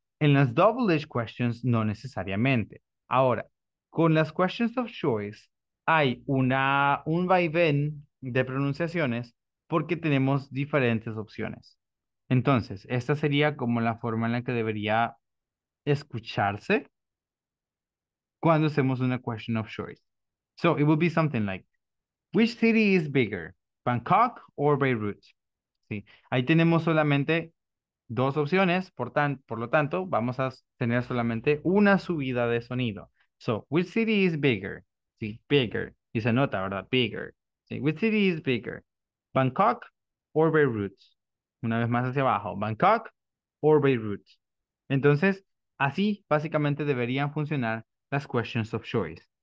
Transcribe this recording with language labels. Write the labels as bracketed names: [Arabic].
[Spanish] En las double H questions, no necesariamente. Ahora, con las questions of choice, hay un vaivén de pronunciaciones porque tenemos diferentes opciones. Entonces, esta sería como la forma en la que debería escucharse cuando hacemos una question of choice. [English] So, it would be something like, which city is bigger, Bangkok or Beirut? [Spanish] Sí, ahí tenemos solamente dos opciones, por lo tanto, vamos a tener solamente una subida de sonido. [English] So, which city is bigger? Sí, bigger. [Spanish] Y se nota, ¿verdad? [English] Bigger. Sí, which city is bigger, Bangkok or Beirut? [Spanish] Una vez más hacia abajo, Bangkok o Beirut. Entonces, así básicamente deberían funcionar las questions of choice.